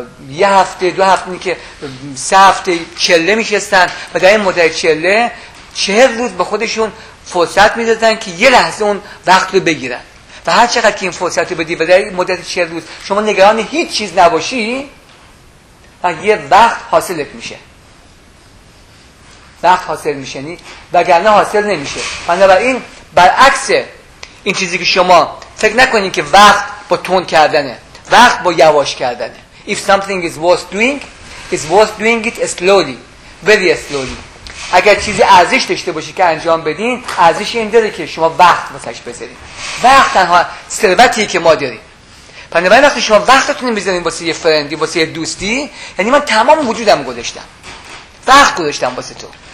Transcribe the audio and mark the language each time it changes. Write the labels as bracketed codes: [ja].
[fa] یه هفته دو هفته که سه هفته چله میشستن و در این مدت چله 40 روز به خودشون فرصت میدادن که یه لحظه اون وقت رو بگیرن و هر چقدر که این فرصت رو بدی و در این مدت 40 روز شما نگران هیچ چیز نباشی و یه وقت حاصلت میشه، وقت حاصل میشه نی؟ وگرنه حاصل نمیشه. بنابراین برعکس این چیزی که شما فکر نکنید که وقت با تون کردنه، وقت با یواش کردنه. [en] If something is worth doing, it's worth doing it slowly, very slowly. [fa] اگر چیزی ارزش داشته باشه که انجام بدین، ارزش این داره که شما وقت واسش بذارید. وقت تنها ثروتیه که ما داریم. بنابراین وقتی شما وقتتون میذارین واسه یه فرندی، واسه یه دوستی، یعنی من تمام وجودم گذاشتم، وقت گذاشتم واسه تو.